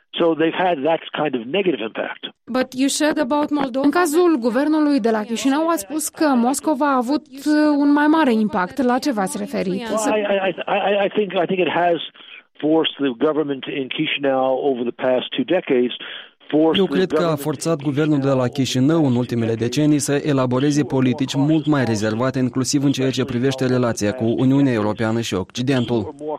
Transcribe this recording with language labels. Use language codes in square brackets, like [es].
[en] So they've had that kind of negative impact. But you said about Moldova. [ro] În cazul guvernului de la Chișinău a spus că Moscova a avut un mai mare impact. La ce v-ați referit? [en] Well, I think it has forced the government in Chișinău over the past two decades. [ro] Eu cred că a forțat guvernul de la Chișinău în ultimele decenii să elaboreze politici mult mai rezervate, inclusiv în ceea ce privește relația cu Uniunea Europeană și Occidentul.